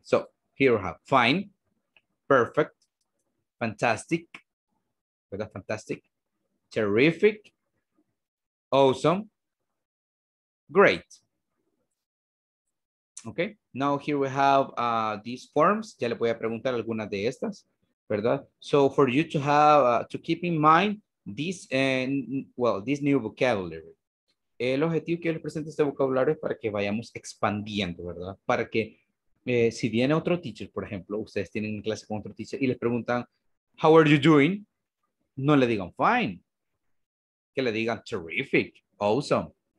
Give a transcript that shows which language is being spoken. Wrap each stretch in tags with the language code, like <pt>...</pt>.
<en>So, here we have fine, perfect, fantastic, ¿verdad? Fantastic, terrific, awesome, great. Okay, now here we have these forms.</en> <es>Ya le voy a preguntar algunas de estas, ¿verdad?</es> <en>So, for you to have, to keep in mind, this new vocabulary.</en> <es>El objetivo que yo les presento este vocabulario es para que vayamos expandiendo, ¿verdad? Para que si viene otro teacher, por ejemplo, ustedes tienen una clase con otro teacher y les preguntan,</es> <en>how are you doing?</en> <es>No le digan fine. Que le digan terrific, awesome.</es>